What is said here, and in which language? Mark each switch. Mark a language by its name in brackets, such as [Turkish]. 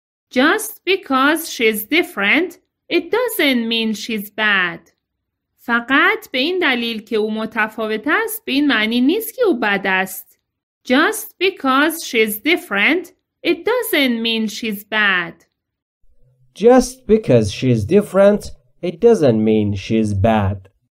[English] Just because she's different, it doesn't mean she's bad. [Persian] فقط به این دلیل که او متفاوت است، به این معنی نیست که او بد است. [English] Just because she's different, it doesn't mean she's bad. Just because she's different, it doesn't mean she's bad.